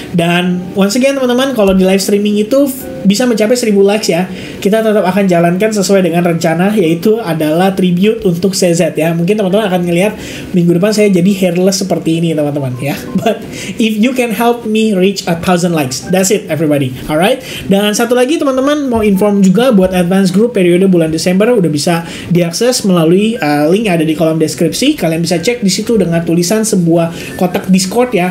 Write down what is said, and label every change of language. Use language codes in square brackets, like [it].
[id] Dan [en] once again, [id] teman-teman, kalau di live streaming itu bisa mencapai 1000 likes ya, kita tetap akan jalankan sesuai dengan rencana, yaitu adalah tribute untuk CZ ya. Mungkin teman-teman akan ngelihat minggu depan saya jadi hairless seperti ini, teman-teman ya. [en] But if you can help me reach 1000 likes, that's it everybody. [id] Alright, dan satu lagi teman-teman, mau inform juga buat advance group periode bulan Desember udah bisa diakses melalui link yang ada di kolom deskripsi. Kalian bisa cek di situ dengan tulisan sebuah kotak Discord ya.